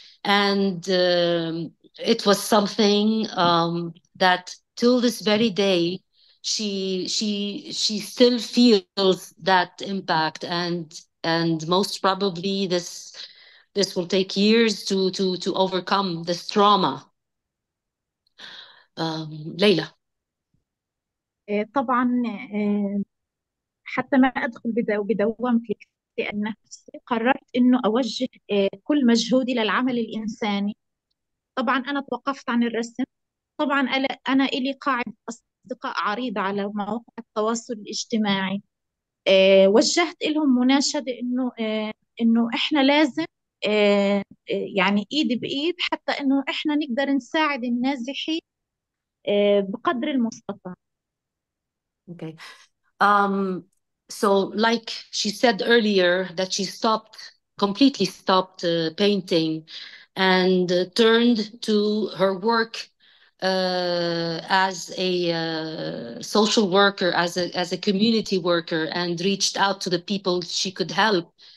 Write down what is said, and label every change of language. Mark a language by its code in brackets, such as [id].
[en] And it was something that till this very day she still feels that impact, and most probably this will take years to overcome this trauma. Leila. [ar] طبعا حتى ما ادخل بدوامة الاكتئاب النفسي قررت انه اوجه كل مجهودي للعمل الانساني. طبعا انا توقفت عن الرسم، طبعا انا الي قاعده اصدقاء عريضه على مواقع التواصل الاجتماعي، وجهت لهم مناشده انه احنا لازم يعني ايد بايد حتى انه احنا نقدر نساعد النازحين بقدر المستطاع. [en] Okay. So like she said earlier, that she completely stopped painting and turned to her work as a social worker, as a community worker, and reached out to the people she could help.